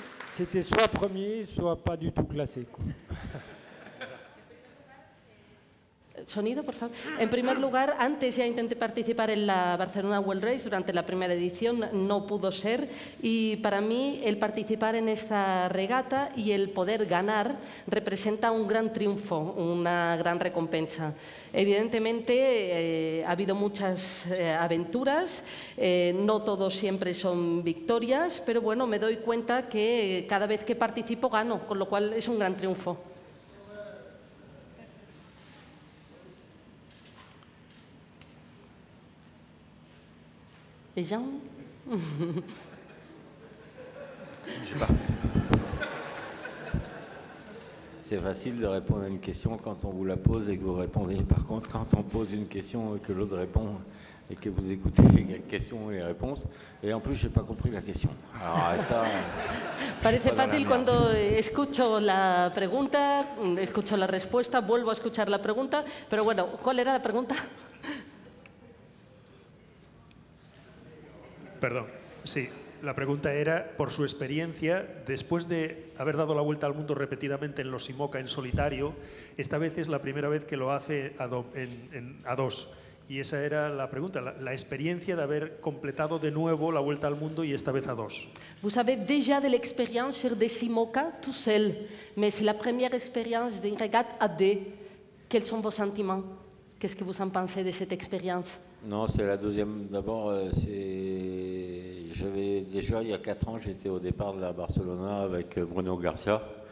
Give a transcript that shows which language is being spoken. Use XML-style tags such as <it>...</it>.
<fr>C'était soit premier, soit pas du tout classé. Quoi.</fr> <es>Sonido, por favor. En primer lugar, antes ya intenté participar en la Barcelona World Race durante la primera edición, no pudo ser. Y para mí, el participar en esta regata y el poder ganar representa un gran triunfo, una gran recompensa. Evidentemente, ha habido muchas aventuras, no todos siempre son victorias, pero bueno, me doy cuenta que cada vez que participo gano, con lo cual es un gran triunfo.</es> <fr>Les gens. Je sais pas. C'est facile de répondre à une question quand on vous la pose et que vous répondez. Par contre, quand on pose une question et que l'autre répond et que vous écoutez les questions et les réponses, et en plus, je n'ai pas compris la question. Alors, ça.</fr> <es>Parece fácil cuando escucho la pregunta, escucho la respuesta, vuelvo a escuchar la pregunta, pero bueno, ¿cuál era la pregunta? Perdón, sí, la pregunta era, por su experiencia, después de haber dado la vuelta al mundo repetidamente en los IMOCA en solitario, esta vez es la primera vez que lo hace a dos, y esa era la pregunta, la experiencia de haber completado de nuevo la vuelta al mundo y esta vez a dos.</es> <fr>Vous avez déjà de l'expérience de IMOCA tout seul, mais c'est la première expérience d'une régate à deux. Quels sont vos sentiments? Qu'est-ce que vous en pensez de cette expérience? Non, c'est la deuxième. D'abord, j'avais déjà, il y a 4 ans, j'étais au départ de la Barcelona avec Bruno Garcia.</fr>